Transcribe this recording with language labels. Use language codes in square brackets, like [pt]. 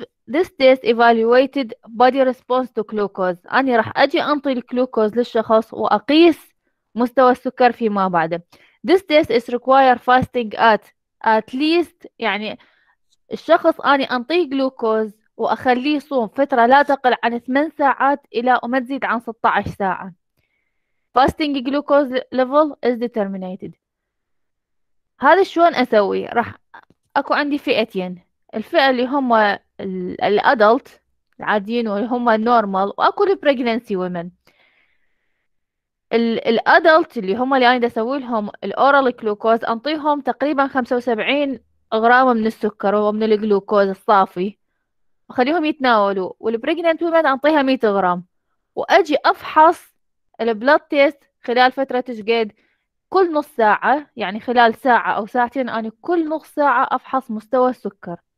[en] This test evaluated body response to glucose. [ar] أني راح أجي أنطي الجلوكوز للشخص وأقيس مستوى السكر فيما بعد. [en] This test is require fasting at least، [ar] يعني الشخص أني أنطيه جلوكوز وأخليه يصوم فترة لا تقل عن 8 ساعات إلى وما تزيد عن 16 ساعة. [en] Fasting glucose level is determined. [ar] هذا شلون أسوي؟ راح أكو عندي فئتين، الفئة اللي هم الادلت العاديين واللي هم النورمال، واكو البريجننسي ويمن. الادلت اللي هم اللي انا اسوي لهم الاورال جلوكوز انطيهم تقريبا 75 غرام من السكر ومن الجلوكوز الصافي وخليهم يتناولوا، والبريجننت ويمن انطيها 100 غرام، واجي افحص البلد تيست خلال فترة تشقيد كل نص ساعة، يعني خلال ساعة او ساعتين انا كل نص ساعة افحص مستوى السكر.